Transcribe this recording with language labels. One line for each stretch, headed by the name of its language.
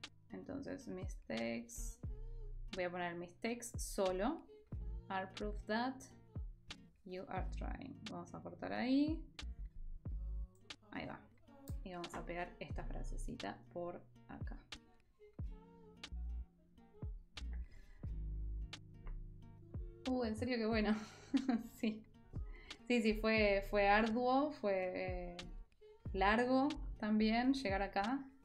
Spanish: Entonces, mis tags. Voy a poner mis tags solo.
English: Are proof that you are trying.
Spanish: Vamos a cortar ahí. Ahí va. Y vamos a pegar esta frasecita por acá. En serio, qué bueno. Sí. Sí, sí, fue arduo, fue largo también llegar acá.